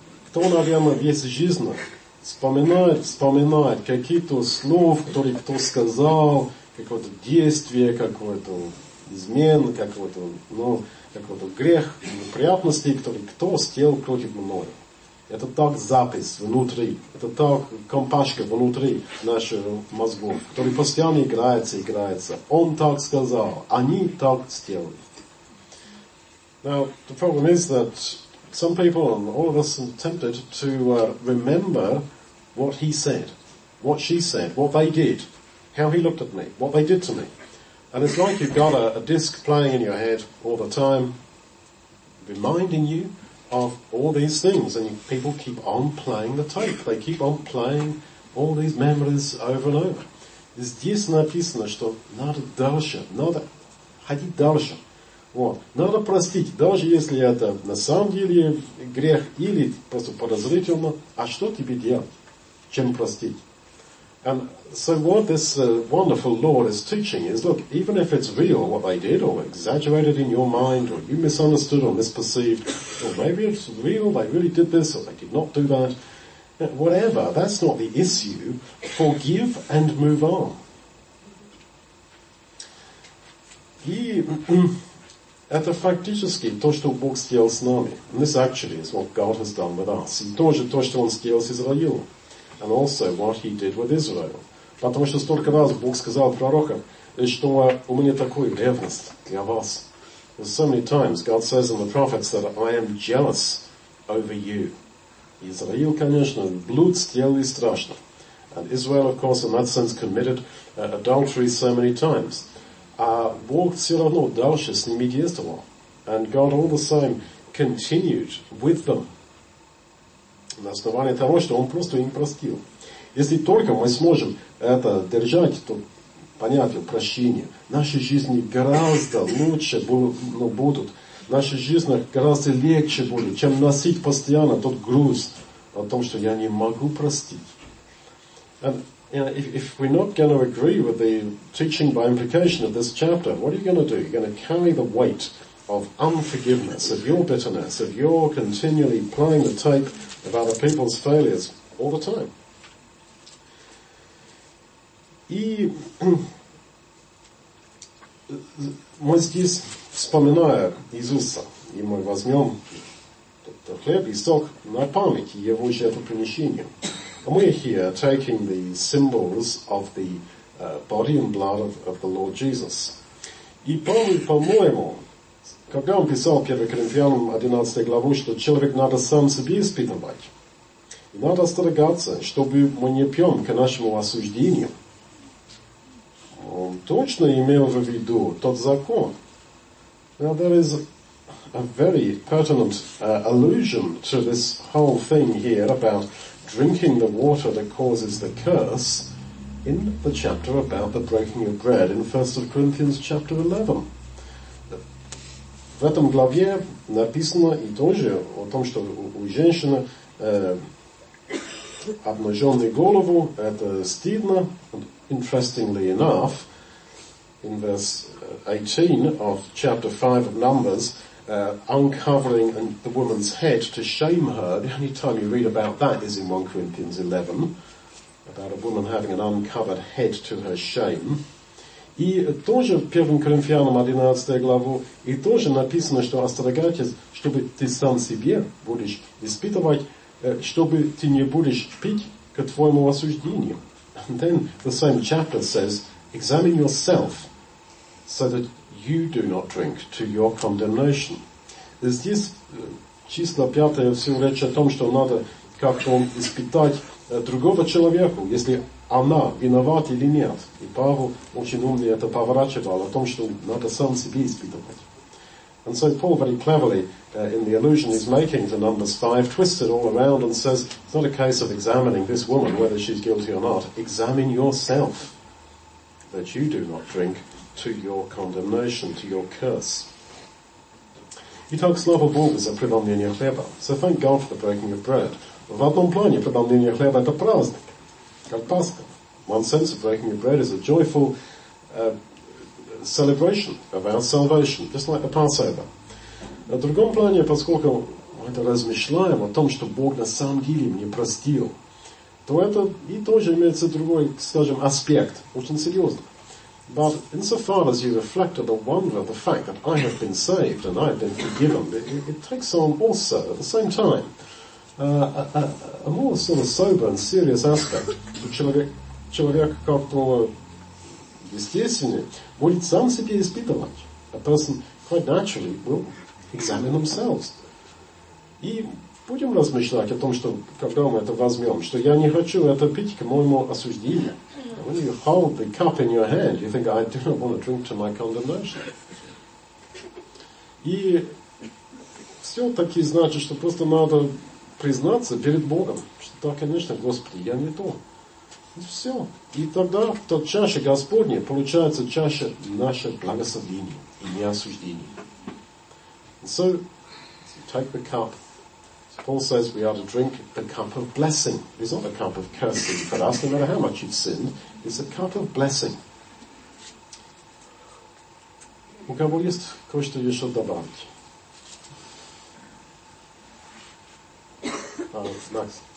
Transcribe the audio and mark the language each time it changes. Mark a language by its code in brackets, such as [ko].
[ru] Кто, наверное, весь жизнь вспоминает какие-то слова, которые кто сказал, какое-то действие, какое-то измен, какое-то, ну, какой-то грех, неприятности, которые кто сделал против меня. Это так запись внутри, это так компашка внутри наших мозгов, которые постоянно играется. Он так сказал, они так сделали. [en] Now, the problem is that some people and all of us are tempted to remember what he said, what she said, what they did, how he looked at me, what they did to me. And it's like you've got a disc playing in your head all the time, reminding you of all these things, and people keep on playing the tape. They keep on playing all these memories over and over. [ru] Здесь написано, что надо ходить дальше. Вот. Надо простить, даже если это на самом деле грех или просто подозрительно. А что тебе делать? Чем простить? [en] And so what this wonderful Lord is teaching is, look, even if it's real what they did, or exaggerated in your mind, or you misunderstood or misperceived, or maybe it's real, they really did this, or they did not do that, whatever, that's not the issue. Forgive and move on. [ru] И это фактически то, что Бог сделал с нами. [en] And this actually is what God has done with us. [ru] И тоже то, что Он сделал с Израилем. [en] And also what he did with Israel. [ru] Потому что столько раз Бог сказал пророкам, что у меня такой ревность для вас. [en] So many times God says in the prophets that I am jealous over you. [ru] Израил, конечно, блуд сделал и страшно. [en] And Israel, of course, in that sense committed adultery so many times. [ru] А Бог все равно дальше с ними действовал. [en] And God all the same continued with them. [ru] На основании того, что он просто им простил. Если только мы сможем это держать, то понятие прощения, наши жизни гораздо лучше будут, наши жизни гораздо легче будут, чем носить постоянно тот груз о том, что я не могу простить. [en] And you know, if we're not going to agree with the teaching by implication of this chapter, what are you going to do? You're going to carry the weight of unforgiveness, of your bitterness, of your continually playing the tape of other people's failures all the time. [ru] И мы здесь вспоминаем Иисуса, и мы возьмем хлеб и сок на память его жертвоприношения. [en] And we're here taking the symbols of the body and blood of the Lord Jesus. [ru] И Павел, по-моему, когда он писал 1 Коринфянам 11 главу, что человек надо сам себе испытывать, и надо остерегаться, чтобы мы не пьем к нашему осуждению, он точно имел в виду тот закон. [en] Now there is a very pertinent allusion to this whole thing here about drinking the water that causes the curse in the chapter about the breaking of bread in 1 Corinthians chapter 11. [ru] В этом главе написано и тоже о том, что у женщины обнаженную голову, это стыдно. [en] Interestingly enough, in verse 18 of chapter 5 of Numbers, uncovering the woman's head to shame her, the only time you read about that is in 1 Corinthians 11, about a woman having an uncovered head to her shame. [ru] И тоже в 1 Коринфянам 11 главу и тоже написано, что остерегайтесь, чтобы ты сам себе будешь испытывать, чтобы ты не будешь пить к твоему осуждению. [en] And then the same chapter says, examine yourself so that you do not drink to your condemnation. [ru] Здесь числа 5 всего речь о том, что надо как-то испытать другого человека, если она виновата или нет. И Павел очень умный это поворачивал о том, что надо сам себе испытывать. [en] And so Paul very cleverly, in the allusion he's making to Numbers 5, twists it all around and says, it's not a case of examining this woman, whether she's guilty or not. Examine yourself, that you do not drink to your condemnation, to your curse. [ru] И так слава Богу за преломление хлеба. [en] So thank God for the breaking of bread. [ru] В одном плане преломление хлеба – это праздник, как Пасха. [en] One sense of breaking of bread is a joyful celebration of our salvation, just like the Passover. [ru] На другом плане, поскольку мы это размышляем о том, что Бог на самом деле мне простил, то это и тоже имеется другой, скажем, аспект, очень серьезный. [en] But insofar as you reflect on the wonder of the fact that I have been saved and I have been forgiven, it takes on also, at the same time, a more sort of sober and serious aspect. [ru] Человек как-то естественно будет сам себе испытывать. [en] A person quite naturally will examine themselves. [ru] И будем размышлять о том, что когда мы это возьмем, что я не хочу это пить к моему осуждению. When you hold the cup in your hand, you think, I do not want to drink to my condemnation. И все таки значит, что просто надо признаться перед Богом, что да, конечно, Господи, я не то. И все. И тогда та чаша Господня получается чаша наше благословение и не осуждение. [en] So, take the cup. Paul says we are to drink the cup of blessing. It's not a cup of cursing for us, no matter how much you've sinned. It's a cup of blessing. [ru] У кого есть кое-что еще добавить? Макс.